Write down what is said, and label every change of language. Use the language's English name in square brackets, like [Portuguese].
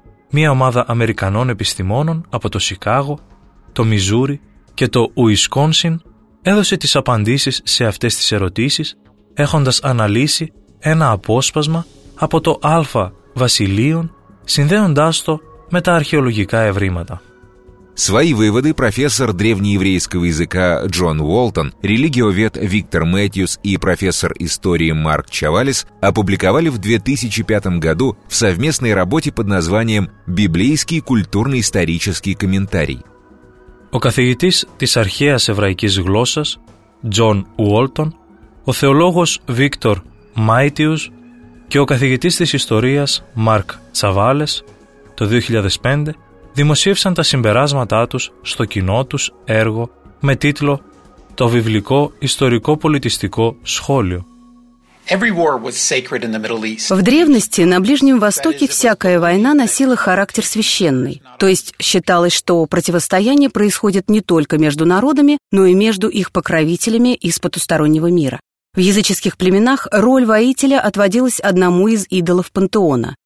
[Greek] Μία ομάδα Αμερικανών επιστημόνων από το Σικάγο, το Μιζούρι και το Ουισκόνσιν έδωσε τις απαντήσεις σε αυτές τις ερωτήσεις έχοντας αναλύσει ένα απόσπασμα από το Αλφα Βασιλείων, συνδέοντάς το με τα αρχαιολογικά ευρήματα. [Russian] Свои выводы профессор древнееврейского языка Джон Уолтон, религиовед Виктор Мэтьюс и профессор истории Марк Чавалис опубликовали в 2005 году в совместной работе под названием «Библейский культурно-исторический комментарий». [Greek] Ο καθηγητής της αρχαίας εβραϊκής γλώσσας, Τζον Уолтон, ο θεολόγος Βίκτορ Μάιτιους και ο καθηγητής της ιστορίας Μάρκ Τσαβάλες το 2005 δημοσίευσαν τα συμπεράσματά τους στο κοινό τους έργο με τίτλο «Το βιβλικό ιστορικό-πολιτιστικό σχόλιο». [Russian] В древности на Ближнем Востоке всякая война носила характер священный, то есть считалось, что противостояние происходит не только между народами, но и между их покровителями из потустороннего мира. В языческих племенах роль воителя отводилась одному из идолов пантеона.